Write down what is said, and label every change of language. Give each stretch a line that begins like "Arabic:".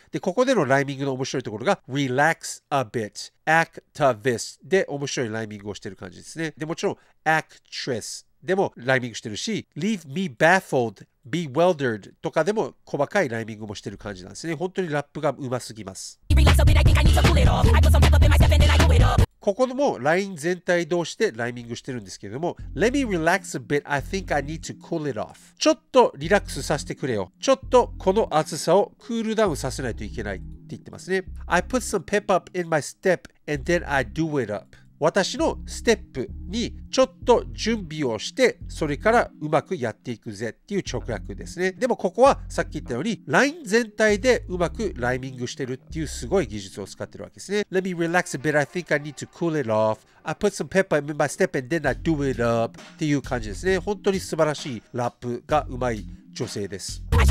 Japanese: で、ここでのライミングの面白いところが
English: relax a bit activist
Japanese: で面白いライミングをしてる感じですね。で、もちろん actress でもライミングしてるし、
English: leave me baffled bewildered
Japanese: とかでも細かいライミングもしてる感じなんですね。本当にラップが上手すぎます。ここもライン全体通してライミングしてるんですけども、
English: Let me relax a bit, I think I need to cool it off.
Japanese: ちょっとリラックスさせてくれよ、ちょっとこの暑さをクールダウンさせないといけないって言ってますね。
English: I put some pep up in my step and then I do it up.
Japanese: 私のステップにちょっと準備をして、それからうまくやっていくぜっていう直訳ですね。でもここはさっき言ったように LINE 全体でうまくライミングしてるっていうすごい技術を使ってるわけですね。
English: Let me relax a bit, I think I need to cool it off. I put some pepper in my step and then I do it up
Japanese: っていう感じですね。本当に素晴らしいラップがうまい女性です。